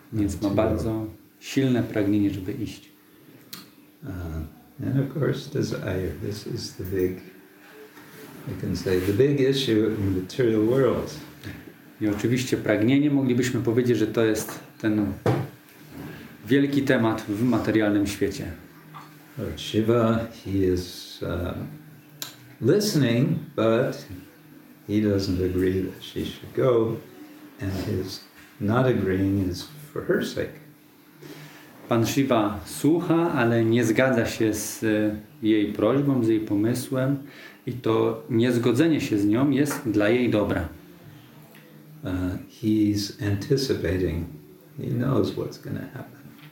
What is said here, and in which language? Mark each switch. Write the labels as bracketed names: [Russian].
[Polish] Więc ma bardzo silne pragnienie, żeby iść. [English] And of course, desire. This is the big, we can say, the big issue in the material world. [Polish] I oczywiście pragnienie, moglibyśmy powiedzieć, że to jest ten wielki temat w materialnym świecie. [English] Lord Shiva, he is listening, but he doesn't agree that she should go, and his not agreeing is for her sake. [Polish] Pan Shiva słucha, ale nie zgadza się z jej prośbą, z jej pomysłem, i to niezgodzenie się z nią jest dla jej dobra. [English] He's anticipating. He knows what's going to happen.